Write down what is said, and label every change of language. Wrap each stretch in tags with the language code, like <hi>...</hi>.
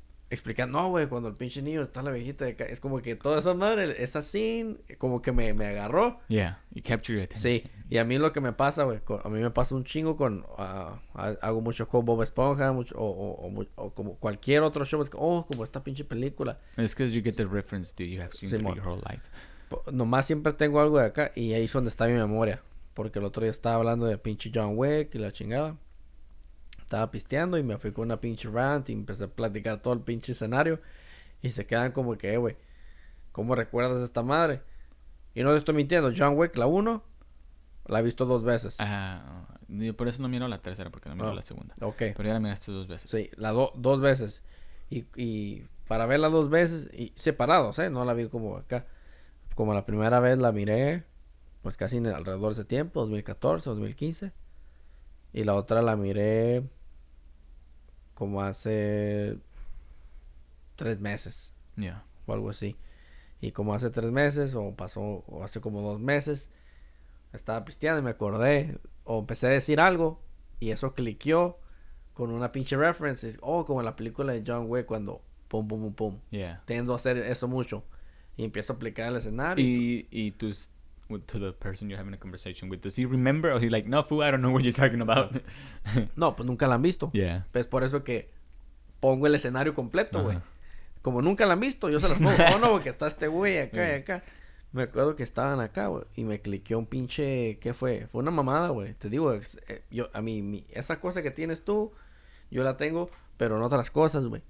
<es>Explicando, no, güey, cuando el pinche niño está la viejita de acá. Es como que toda esa madre, esa scene, como que me agarró.</es> <en>Yeah, you captured your attention.</en> <es>Sí, y a mí lo que me pasa, güey, a mí me pasa un chingo con... hago mucho con Bob Esponja, mucho, o como cualquier otro show. Es que, oh, como esta pinche película.</es> <en>It's because you get the reference that you have seen through your whole life.</en> <es>Nomás siempre tengo algo de acá y ahí es donde está mi memoria. Porque el otro día estaba hablando de pinche John Wick y la chingada. Estaba pisteando y me fui con una pinche rant y empecé a platicar todo el pinche escenario. Y se quedan como que, güey, ¿cómo recuerdas a esta madre? Y no te estoy mintiendo, John Wick, la 1, la he visto 2 veces. Yo por eso no miro la tercera, porque no miro la segunda. Ok. Pero ya la miraste 2 veces. Sí, la 2 veces. Y para verla 2 veces, y separados, ¿eh? No la vi como acá. Como la primera vez la miré, pues casi en alrededor de ese tiempo, 2014, 2015. Y la otra la miré como hace 3 meses.</es> <en>Yeah.</en> <es>O algo así. Y como hace 3 meses, o pasó, o hace como 2 meses, estaba pisteando y me acordé. O empecé a decir algo y eso cliqueó con una pinche reference. Oh, como en la película de John Wick cuando pum, pum, pum, pum.</es> <en>Yeah.</en> <es>Tiendo a hacer eso mucho. Y empiezo a aplicar el escenario. Y tú...</es> <en>to the person you're having a conversation with, does he remember or he like, no, fool, I don't know what you're talking about?</en> <es>No, pues nunca la han visto.</es> <en>Yeah.</en> <es>Pues por eso que pongo el escenario completo, güey. Como nunca la han visto, yo se las pongo. Oh, no, porque está este güey acá y acá. Me acuerdo que estaban acá, güey, y me cliqueó un pinche, ¿qué fue? Fue una mamada, güey. Te digo, yo, a mí, esa cosa que tienes tú, yo la tengo, pero en otras cosas, güey.</es>